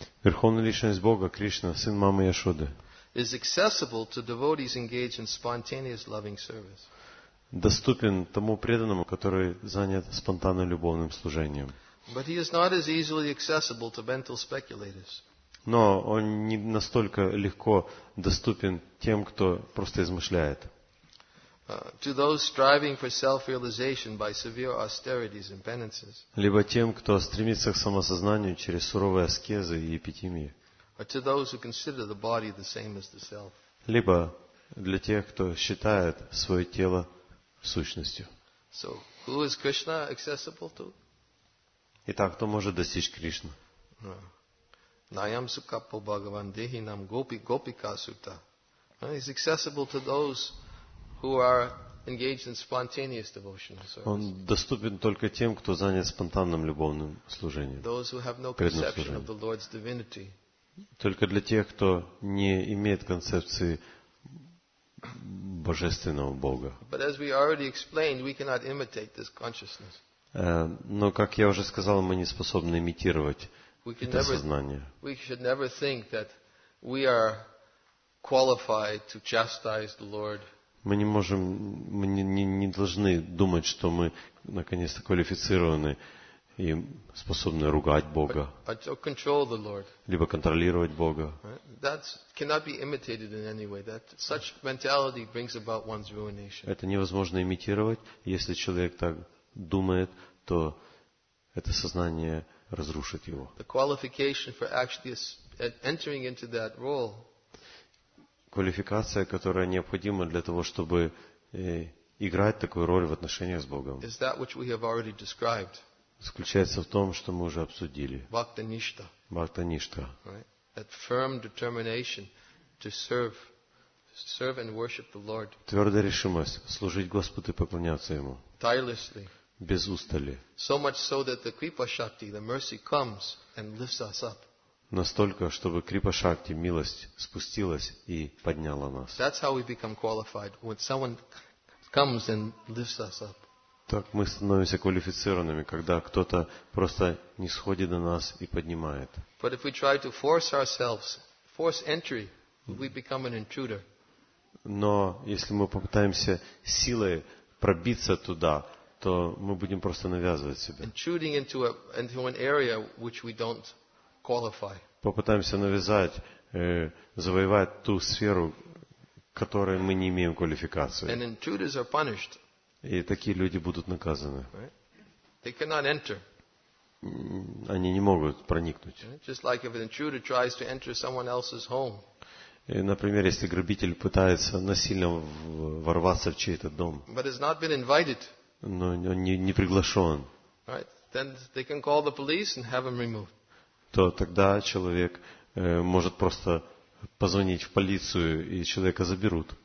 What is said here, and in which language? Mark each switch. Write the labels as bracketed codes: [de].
[ru] Верховная личность Бога, Кришна, сын мамы Яшоды. [en] Is accessible to devotees engaged in spontaneous loving service. [ru] Доступен тому преданному, который занят спонтанным любовным служением. [en] But he is not as easily accessible to mental speculators. [ru] Но он не настолько легко доступен тем, кто просто измышляет. [en] To those striving for self-realization by severe austerities and penances. [ru] Либо тем, кто стремится к самосознанию через суровые аскезы и эпитимии. [en] Or to those who consider the body the same as the self. [ru] Либо для тех, кто считает свое тело сущностью. [en] So, who is Krishna accessible to? [ru] Итак, кто может достичь Кришны? [sa] Nayam sukapo bhagavan dehi nam gopi gopika sutta. [en] He's accessible to those who are engaged in spontaneous devotional service. [ru] Он доступен только тем, кто занят спонтанным любовным служением. [en] Those who have no conception of the Lord's divinity. [ru] Только для тех, кто не имеет концепции божественного Бога. [en] But as we already explained, we cannot imitate this consciousness. [ru] Но, как я уже сказал, мы не способны имитировать это сознание. [en] We should never think that we are qualified to chastise the Lord. [ru] Мы не можем, мы не должны думать, что мы наконец-то квалифицированы и способны ругать Бога. [en] Control the Lord. [ru] Либо контролировать Бога. [en] That cannot be imitated in any way. That such mentality brings about one's ruination. [ru] Это невозможно имитировать, если человек так думает, то это сознание разрушит его. [en] The qualification for actually entering into that role. [ru] Квалификация, которая необходима для того, чтобы играть такую роль в отношениях с Богом, [en] is that which we have already described. [ru] Заключается в том, что мы уже обсудили. Бхакта-ништа. Бхакта-ништа. [en] Right? That firm determination to serve and worship the Lord. [ru] Твердая решимость служить Господу и поклоняться Ему. [en] Tirelessly. [ru] Без устали. [en] So much so that the Kripa Shakti, the mercy comes and lifts us up. [ru] Настолько, чтобы Крипа Шакти, милость, спустилась и подняла нас. [en] That's how we become qualified, when someone comes and lifts us up. [ru] Так мы становимся квалифицированными, когда кто-то просто нисходит до нас и поднимает. [en] But if we try to force ourselves, force entry, we become an intruder. [ru] Но если мы попытаемся силой пробиться туда, то мы будем просто навязывать себя. [en] Intruding into an area which we don't qualify. [ru] Попытаемся навязать, завоевать ту сферу, которой мы не имеем квалификации. [en] And intruders are punished. [ru] И такие люди будут наказаны. [en] They cannot enter. [ru] Они не могут проникнуть. [en] Just like if an intruder tries to enter someone else's home. [ru] И, например, если грабитель пытается насильно ворваться в чей-то дом. [en] But has not been invited. [ru] Но он не приглашен. [en] Right. Then they can call the police and have him removed. [ru] То тогда человек может просто позвонить в полицию, и человека заберут.